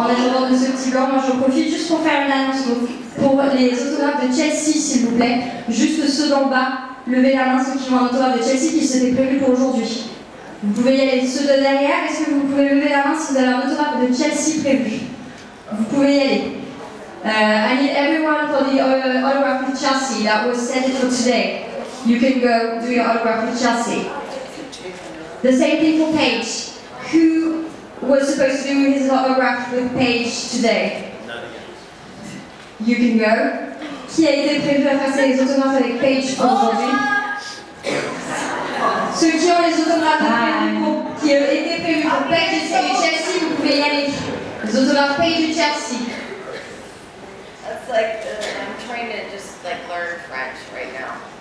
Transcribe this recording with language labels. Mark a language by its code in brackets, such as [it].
[fr] En attendant de ce petit gant, moi j'en profite juste pour faire une annonce. Donc, pour les autographes de Chelsea, s'il vous plaît, juste ceux d'en bas, levez la main ceux qui ont un autographe de Chelsea qui s'était prévu pour aujourd'hui. Vous pouvez y aller. Ceux de derrière, est-ce que vous pouvez lever la main si vous avez un autographe de Chelsea prévu? Vous pouvez y aller. [en] I need everyone for the autograph of Chelsea that was set for today. You can go do your autograph of Chelsea. The same thing for Paige. Who was supposed to do his autograph with Paige today? You can go. [fr] Qui a été prévu à faire ses autographes avec Paige aujourd'hui? Ceux qui ont les autographes qui ont été prévus pour Page et Chelsea, vous pouvez y aller. Les autographes Page et Chelsea. [en] That's like, I'm trying to just like learn French right now.